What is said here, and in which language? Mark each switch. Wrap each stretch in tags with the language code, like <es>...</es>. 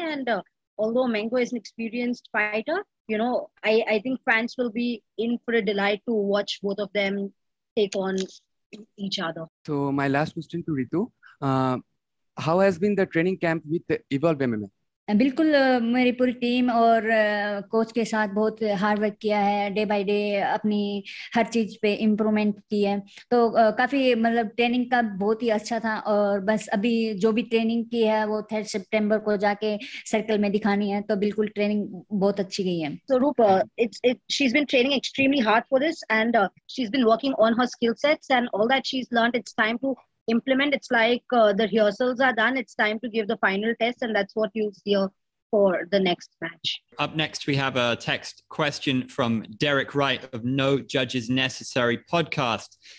<en>And although Mango is an experienced fighter, you know, I think France will be in for a delight to watch both of them take on each other. So my last question to Ritu, how has been the training camp with Evolve MMA?</en> <hi>बिल्कुल मेरी पूरी team और coach के साथ बहुत hard work किया है day by day अपनी हर चीज पे इम्प्रूवमेंट की है तो काफी मतलब ट्रेनिंग का बहुत ही अच्छा था और बस अभी जो भी ट्रेनिंग की है वो 3rd September को जाके सर्कल में दिखानी है तो बिल्कुल ट्रेनिंग बहुत अच्छी गई है.</hi> <en>So Roop, she's been training extremely hard for this and she's been working on her skill sets and all that she's learned it's time to implement. It's like the rehearsals are done, it's time to give the final test, and that's what you'll see for the next match. Up next we have a text question from Derek Wright of No Judges Necessary podcast.</en>